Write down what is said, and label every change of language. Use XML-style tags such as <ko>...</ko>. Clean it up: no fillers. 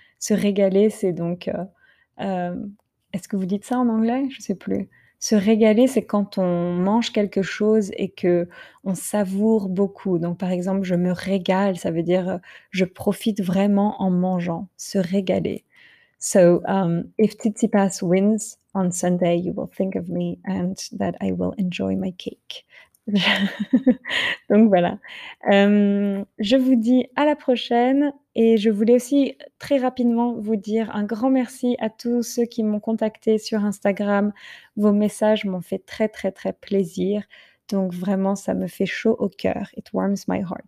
<fr>Se régaler, c'est donc... est-ce que vous dites ça en anglais? Je ne sais plus. Se régaler, c'est quand on mange quelque chose et qu'on savoure beaucoup. Donc, par exemple, je me régale, ça veut dire je profite vraiment en mangeant. Se régaler.</fr> <en>So, if Tsitsipas wins on Sunday, you will think of me and that I will enjoy my cake.</en> <fr>Donc voilà. Je vous dis à la prochaine et je voulais aussi très rapidement vous dire un grand merci à tous ceux qui m'ont contacté sur Instagram. Vos messages m'ont fait très très très plaisir. Donc vraiment, ça me fait chaud au cœur.</fr> <en>It warms my heart.</en>